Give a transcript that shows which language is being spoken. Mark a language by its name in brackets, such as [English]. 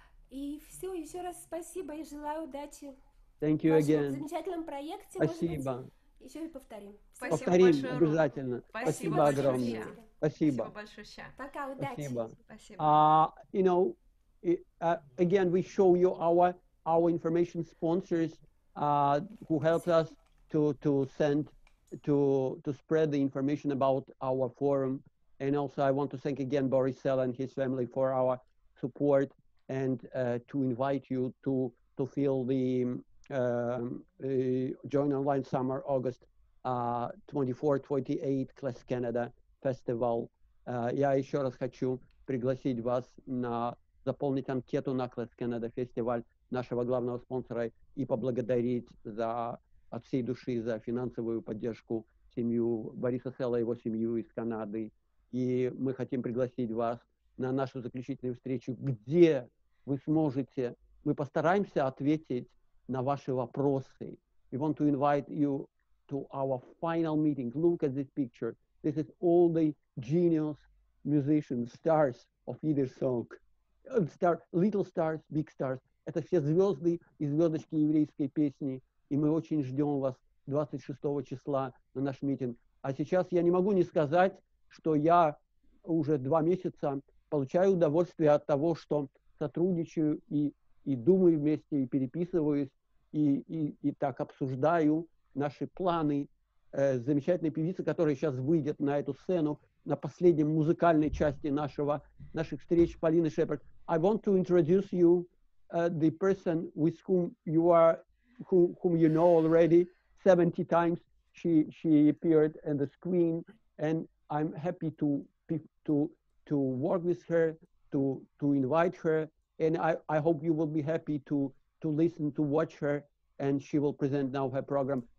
[Russian] И все, еще раз спасибо и желаю удачи. [English] Thank you again. [Russian] Замечательном проекте. Спасибо. Еще и повторим. Спасибо. Повторим большое, обязательно. Спасибо огромное. Спасибо большое. Пока, удачи. Спасибо. [English] You know, again, we show you our information sponsors, who helped us to spread the information about our forum, and also I want to thank again Boris Sell and his family for our support, and to invite you to feel the join online summer August 24-28 Class Canada Festival. [Russian] Я еще раз хочу пригласить вас на заполнить анкету на Class Canada Festival нашего главного спонсора и поблагодарить за от всей души за финансовую поддержку семью Бориса Селла и его семью из Канады. И мы хотим пригласить вас на нашу заключительную встречу, где вы сможете, мы постараемся ответить на ваши вопросы. [English] We want to invite you to our final meeting. Look at this picture. This is all the genius musicians, stars of Yiddish song. Star, little stars, big stars. [Russian] Это все звезды и звездочки еврейской песни. И мы очень ждем вас 26 числа на наш митинг. А сейчас я не могу не сказать, что я уже 2 месяца получаю удовольствие от того, что сотрудничаю и думаю вместе, и переписываюсь, и так обсуждаю наши планы. Замечательная певица, которая сейчас выйдет на эту сцену, на последней музыкальной части наших встреч, Полина Шепард. [English] I want to introduce you the person with whom you are, whom you know already 70 times. She appeared on the screen, and I'm happy to work with her, to invite her, and I hope you will be happy to listen, to watch her, and she will present now her program.